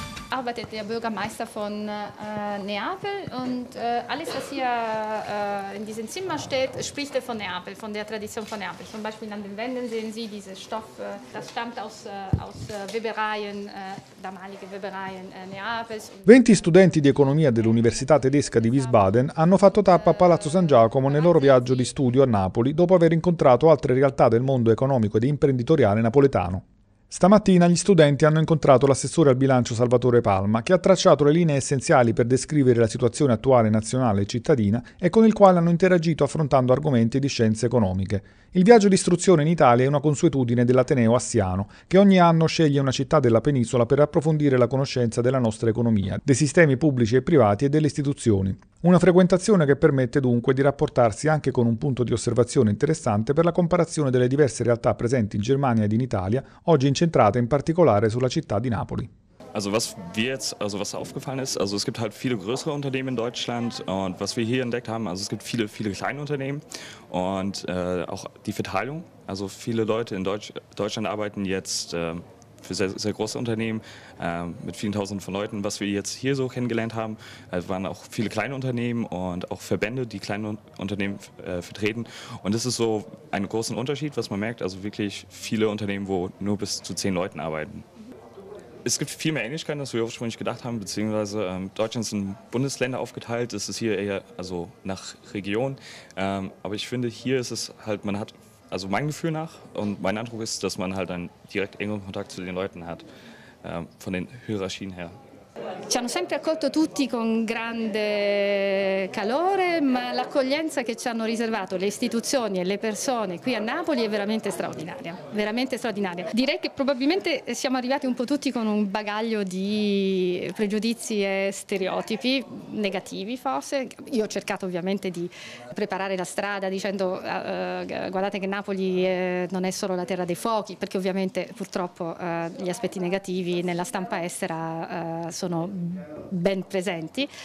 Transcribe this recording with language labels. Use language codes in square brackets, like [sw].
[de] arbeitet der Bürgermeister von Neapel und alles, was hier in diesem Zimmer steht, spricht er von Neapel, von der Tradition von Neapel. Zum Beispiel an den Wänden sehen Sie diesen Stoff, das stammt aus Webereien, damalige Webereien Neapels. [it] 20 studenti di economia dell'Università tedesca di Wiesbaden hanno fatto tappa a Palazzo San Giacomo nel loro viaggio di studio a Napoli dopo aver incontrato altre realtà del mondo economico ed imprenditoriale napoletano. Stamattina gli studenti hanno incontrato l'assessore al bilancio Salvatore Palma, che ha tracciato le linee essenziali per descrivere la situazione attuale nazionale e cittadina e con il quale hanno interagito affrontando argomenti di scienze economiche. Il viaggio di istruzione in Italia è una consuetudine dell'Ateneo Assiano, che ogni anno sceglie una città della penisola per approfondire la conoscenza della nostra economia, dei sistemi pubblici e privati e delle istituzioni. Una frequentazione che permette dunque di rapportarsi anche con un punto di osservazione interessante per la comparazione delle diverse realtà presenti in Germania ed in Italia, oggi incentrate in particolare sulla città di Napoli. [de] Was aufgefallen ist, es gibt halt viele größere Unternehmen in Deutschland und was wir hier entdeckt haben, es gibt viele, viele kleine Unternehmen und auch die Verteilung. Also viele Leute in Deutschland arbeiten jetzt für sehr, sehr große Unternehmen mit vielen Tausenden von Leuten. Was wir jetzt hier so kennengelernt haben, waren auch viele kleine Unternehmen und auch Verbände, die kleine Unternehmen vertreten. Und das ist so ein großer Unterschied, was man merkt. Also wirklich viele Unternehmen, wo nur bis zu 10 Leuten arbeiten. Es gibt viel mehr Ähnlichkeiten, als wir ursprünglich gedacht haben, beziehungsweise Deutschland ist in Bundesländer aufgeteilt, es ist hier eher also nach Region. Aber ich finde, hier ist es halt, man hat, also mein Gefühl nach und mein Eindruck ist, dass man halt einen direkt engen Kontakt zu den Leuten hat, von den Hierarchien her. [it] Ci hanno sempre accolto tutti con grande calore, ma l'accoglienza che ci hanno riservato le istituzioni e le persone qui a Napoli è veramente straordinaria, direi che probabilmente siamo arrivati un po' tutti con un bagaglio di pregiudizi e stereotipi, negativi forse, io ho cercato ovviamente di preparare la strada dicendo guardate che Napoli non è solo la terra dei fuochi, perché ovviamente purtroppo gli aspetti negativi nella stampa estera sono ben presenti.